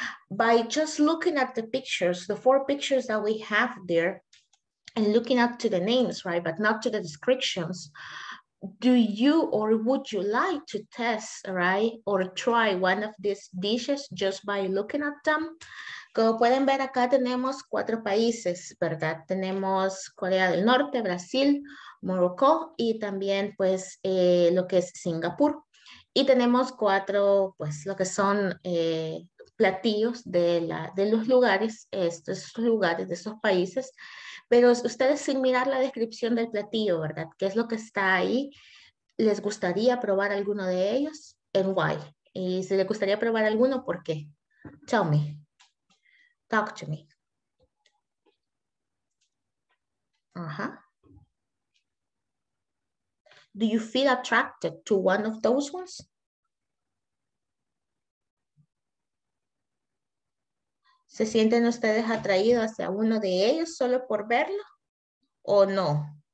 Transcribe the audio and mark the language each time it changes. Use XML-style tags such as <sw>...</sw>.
<en>By just looking at the pictures, the 4 pictures that we have there, and looking up to the names, right, but not to the descriptions, do you or would you like to test, right, or try one of these dishes just by looking at them?</en> <es>Como pueden ver acá tenemos 4 países, ¿verdad? Tenemos Corea del Norte, Brasil, Morocco, y también pues lo que es Singapur. Y tenemos 4, pues, lo que son platillos de los lugares, estos lugares de esos países. Pero ustedes, sin mirar la descripción del platillo, ¿verdad? ¿Qué es lo que está ahí? ¿Les gustaría probar alguno de ellos? ¿En why? Y si les gustaría probar alguno, ¿por qué?</es> <en>Tell me. Talk to me. Ajá. Do you feel attracted to one of those ones?</en> <es>¿Se sienten ustedes atraídos hacia uno de ellos solo por verlo o no?</es>